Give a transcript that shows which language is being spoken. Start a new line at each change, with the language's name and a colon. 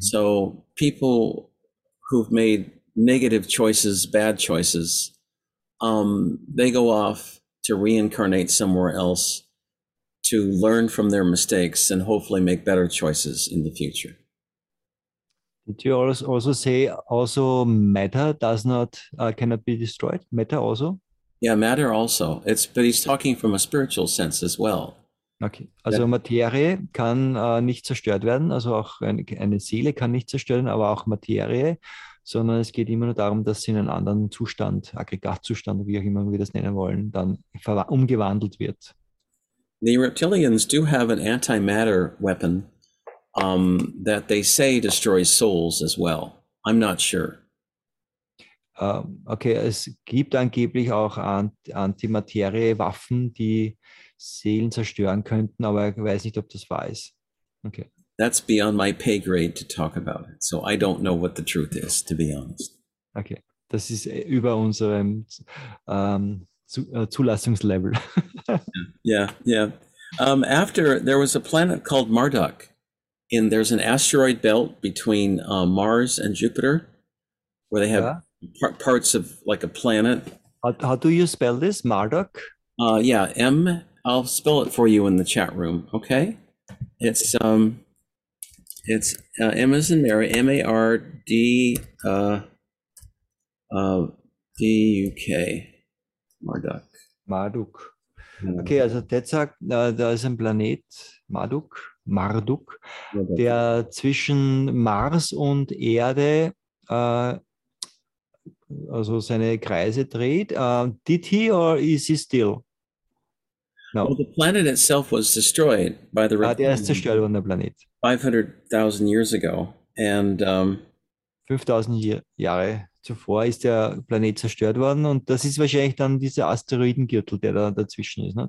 English: So people who've made negative choices, bad choices, they go off to reincarnate somewhere else to learn from their mistakes and hopefully make better choices in the future. Did you also say also matter does not cannot be destroyed? Matter also? Yeah, matter also. It's but he's talking from a spiritual sense as well. Okay.
German: Also that, Materie kann nicht zerstört werden, also auch eine Seele kann nicht zerstören, aber auch Materie, sondern es geht immer nur darum, dass sie in einen anderen Zustand, Aggregatzustand, wie auch immer wir das nennen wollen, dann umgewandelt wird.
English: The reptilians do have an anti-matter weapon. That they say destroys souls as well. I'm not sure.
German: Okay, es gibt angeblich auch Antimaterie-Waffen, die Seelen zerstören könnten, aber ich weiß nicht, ob das wahr ist.
English: Okay. That's beyond my pay grade to talk about it. So I don't know what the truth is, to be honest.
German: Okay, das ist über unserem Zulassungslevel.
English: Yeah. After, there was a planet called Marduk. And there's an asteroid belt between Mars and Jupiter, where they have parts of like a planet. How do you spell this, Marduk? I'll spell it for you in the chat room. Okay, it's M as in Mary, M A R D D U K, Marduk. Marduk.
German: Okay, also Ted sagt, da ist ein Planet, Marduk. Marduk, der zwischen Mars und Erde also seine Kreise dreht.
English: Did he or is he still? No. Well, the planet itself was destroyed by the
German: Reptilians. Ah, der ist zerstört worden, der Planet.
English: 500,000 years ago. And
German: 5000 Jahre zuvor ist der Planet zerstört worden und das ist wahrscheinlich dann dieser Asteroidengürtel, der da dazwischen ist, ne?